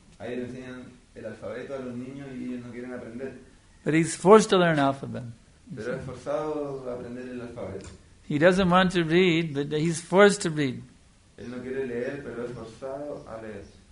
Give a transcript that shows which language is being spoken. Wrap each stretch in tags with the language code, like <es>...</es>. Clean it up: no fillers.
<es>El alfabeto a los niños y ellos no quieren aprender.</es> <en>But he's forced to learn alphabet.</en> <es>Pero es forzado a aprender el alfabeto.</es> <en>He doesn't want to read, but he's forced to read.</en> <es>Él no quiere leer, pero es forzado a leer.</es>